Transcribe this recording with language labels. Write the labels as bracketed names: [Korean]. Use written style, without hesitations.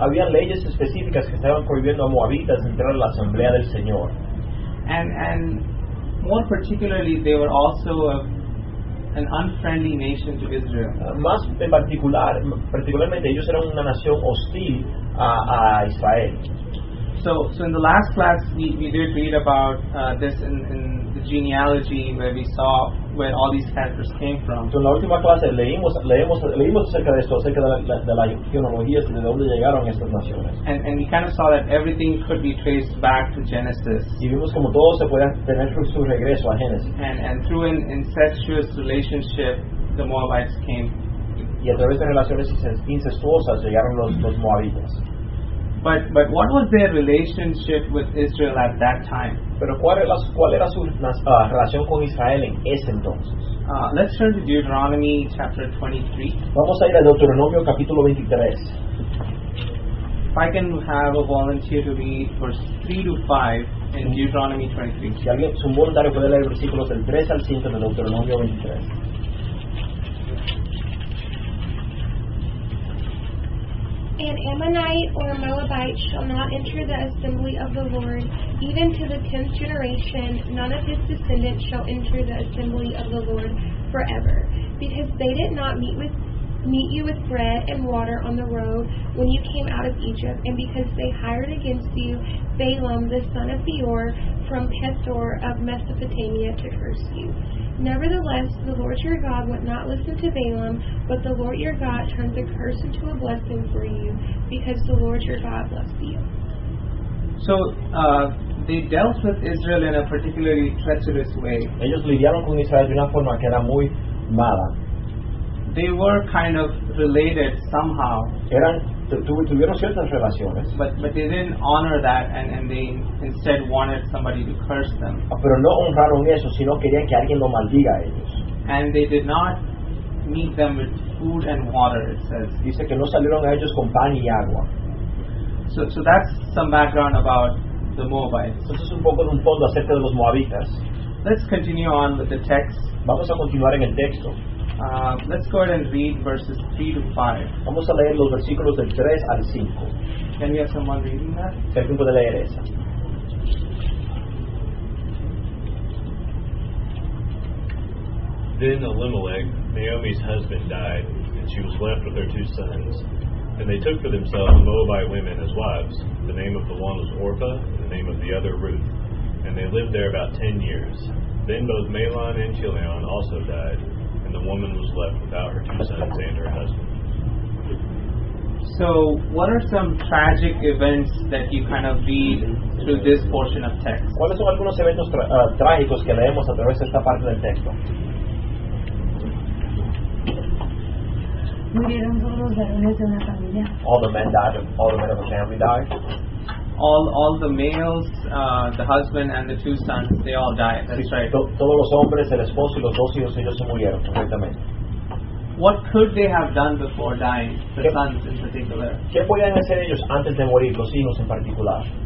[Spanish] Había leyes específicas que estaban prohibiendo a Moabitas entrar a la asamblea del Señor. [English] And more particularly, they were also an unfriendly nation to Israel. [Spanish] Más en particular, particularmente ellos eran una nación hostil a Israel. [English] So in the last class we did read about this in the genealogy where we saw where all these characters came from. [Spanish] En la última clase leímos acerca de esto, acerca de la genealogía, de dónde llegaron estas naciones. [English] And we kind of saw that everything could be traced back to Genesis. [Spanish] Y vimos como todo se puede tener su regreso a Génesis. [English] And through an incestuous relationship, the Moabites came. [Spanish] Y a través de relaciones incestuosas llegaron los Moabitas. [English] But what was their relationship with Israel at that time? [Spanish] Pero cuál era su relación con Israel en ese entonces? [English] Let's turn to Deuteronomy chapter 23. [Spanish] Vamos a ir a Deuteronomio capítulo 23. [English] If I can have a volunteer to read verse 3 to 5 in Deuteronomy 23. [Spanish] Si alguien, un voluntario puede leer versículos del 3 al 5 de Deuteronomio 23. [English] An Ammonite or Moabite shall not enter the assembly of the Lord, even to the tenth generation, none of his descendants shall enter the assembly of the Lord forever, because they did not meet you with bread and water on the road when you came out of Egypt, and because they hired against you Balaam the son of Beor from Pethor of Mesopotamia to curse you. Nevertheless, the Lord your God would not listen to Balaam, but the Lord your God turned the curse into a blessing for you, because the Lord your God blessed you. So, they dealt with Israel in a particularly treacherous way. [Spanish] Ellos lidiaron con Israel de una forma que era muy mala. [English] They were kind of related somehow. [Spanish] Tuvieron ciertas relaciones. [English] But they didn't honor that, and they instead wanted somebody to curse them. [Spanish] Pero no honraron eso, sino querían que alguien lo maldiga a ellos. [English] And they did not meet them with food and water, it says. [Spanish] Dice que no salieron a ellos con pan y agua. [English] So that's some background about the Moabites. [Spanish] Eso es un poco de un fondo acerca de los Moabitas. [English] Let's continue on with the text. [Spanish] Vamos a continuar en el texto. [English] Let's go ahead and read verses 3 to 5. [Spanish] Vamos a leer los versículos del 3 al 5. [English] Can we have someone reading that? [Spanish] ¿Qué tiempo de leer esa? [English] Then Elimelech, Naomi's husband, died, and she was left with her two sons. And they took for themselves Moabite women as wives. The name of the one was Orpah, and the name of the other Ruth. And they lived there about 10 years. Then both Mahlon and Chilion also died. And the woman was left without her two sons and her husband. So, what are some tragic events that you kind of read through this portion of text? [Spanish] ¿Cuáles son algunos eventos trágicos que leemos a través de esta parte del texto? Murieron todos los varones de una familia. [English] All the men died. All the men of a family died. All the males, the husband and the two sons, they all died. That's [Spanish] sí, [English] right. [Spanish] Todos los hombres, el esposo y los dos hijos, ellos se murieron correctamente. [English] What could they have done before dying, the sons in particular? [Spanish] ¿Qué podían hacer ellos antes de morir, los hijos en particular?